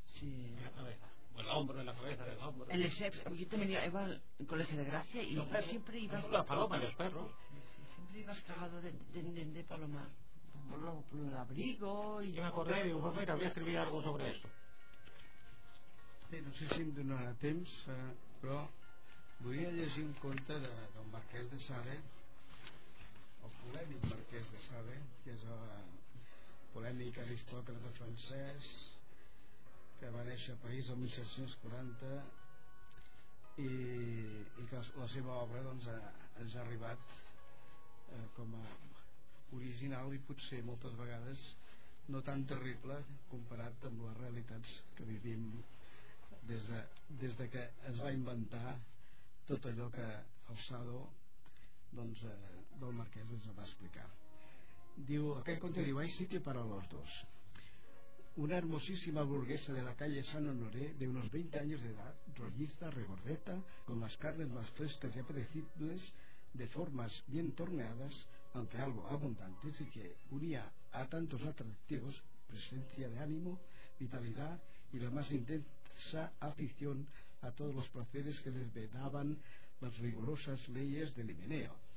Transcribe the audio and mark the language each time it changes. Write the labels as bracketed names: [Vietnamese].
[Spanish] Sí. En la cabeza. El hombro, en la cabeza del hombro. En el sexo. Yo también iba al colegio de Gracia y perros, siempre iba... Las palomas y los perros. Siempre ibas cargado de paloma por el abrigo y... Yo me acordé y digo, mira, voy a escribir algo sobre esto. [Catalan] Bé, no sé si em donarà temps, però volia llegir un conte del marquès de Sade, el polèmic marquès de Sade, que és el polèmic aristòcrata francès que va néixer a París el 1740 i que la seva obra, doncs, ens ha arribat com a original i potser moltes vegades no tan terrible comparat amb les realitats que vivim des de que es va inventar tot allò que el Sado, doncs, del marquès ens va explicar. Diu, aquest conte diu, [Spanish] hay sitio para los dos. Una hermosísima burguesa de la calle San Honoré, de unos 20 años de edad, rolliza, regordeta, con las carnes más frescas y apetecibles, de formas bien torneadas, aunque algo abundantes, y que unía a tantos atractivos, presencia de ánimo, vitalidad y la más intensa afición a todos los placeres que les vedaban las rigurosas leyes del himeneo.